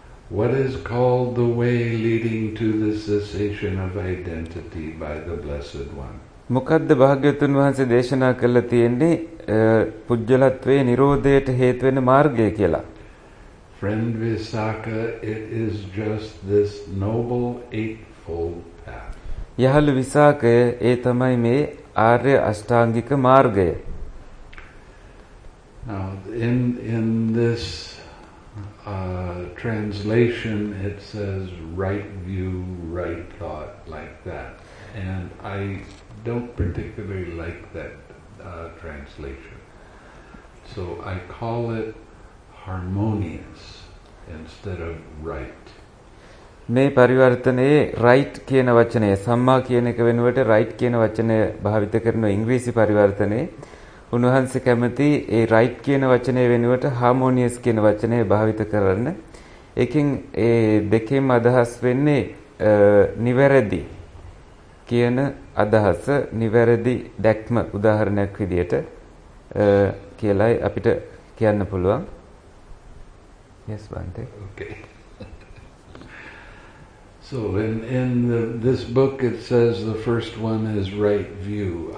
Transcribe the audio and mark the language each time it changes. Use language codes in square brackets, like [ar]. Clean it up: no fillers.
[en] What is called the way leading to the cessation of identity by the Blessed One? [si] මොකද්ද භාග්‍යවතුන් වහන්සේ දේශනා කළා තියෙන්නේ පුජ්‍යලත්වයේ නිරෝධයට හේතු වෙන මාර්ගය කියලා. [en] Friend Visakha, it is just this noble eightfold path. [si] යහළු විසාකය ඒ තමයි මේ ආර්ය අෂ්ටාංගික මාර්ගය. [en] Now in this translation it says right view, right thought, like that. And I don't particularly like that translation. So I call it harmonious instead of right. [si] මේ පරිවර්තනයේ right කියන වචනය සම්මා කියන එක වෙනුවට right කියන වචනය භාවිත කරන ඉංග්‍රීසි පරිවර්තනයේ උන්වහන්සේ කැමති ඒ right කියන වචනය වෙනුවට harmonious කියන වචනය භාවිත කරන්න. ඒකෙන් ඒ දෙකෙන් අදහස් වෙන්නේ නිවැරදි කියන අදහස නිවැරදි දැක්ම උදාහරණයක් විදියට කියලායි අපිට කියන්න පුළුවන්. [en] Yes, Bhante. Okay. So in the, this book it says the first one is right view.